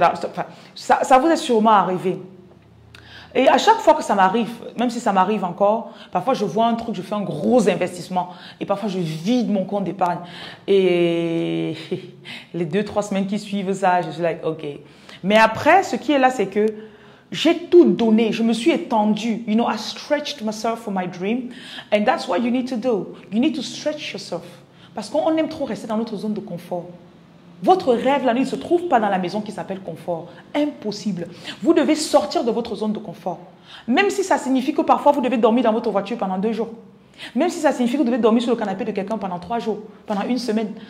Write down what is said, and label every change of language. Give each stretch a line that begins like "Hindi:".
French: Enfin, ça vous est sûrement arrivé. Et à chaque fois que ça m'arrive, même si ça m'arrive encore, parfois je vois un truc, je fais un gros investissement. Et parfois je vide mon compte d'épargne. Et les deux, trois semaines qui suivent ça, je suis like, OK. Mais après, ce qui est là, c'est que j'ai tout donné. Je me suis étendue.
English: You know, I stretched myself for my dream. And that's what you need to do. You need to stretch yourself.
French: Parce qu'on aime trop rester dans notre zone de confort. Votre rêve, là, il ne se trouve pas dans la maison qui s'appelle confort. Impossible. Vous devez sortir de votre zone de confort. Même si ça signifie que parfois, vous devez dormir dans votre voiture pendant 2 jours. Même si ça signifie que vous devez dormir sur le canapé de quelqu'un pendant 3 jours, pendant 1 semaine.